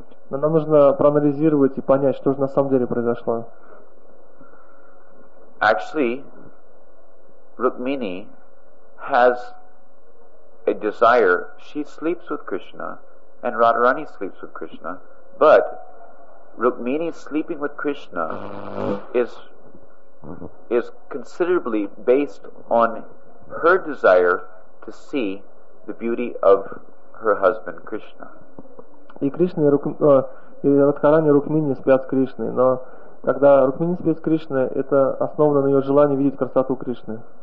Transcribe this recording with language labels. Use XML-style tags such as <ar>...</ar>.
<ru>Но нам нужно проанализировать и понять, что же на самом деле произошло.</ru> <en>Actually, Rukmini has a desire. She sleeps with Krishna, and Radharani sleeps with Krishna, but Rukmini sleeping with Krishna is considerably based on her desire to see the beauty of her husband Krishna.</en> <ru>И Кришна и Радхарани Рукмини спят с Кришной, но когда Рукмини спит с Кришной, это основано на ее желании видеть красоту Кришны.</ru>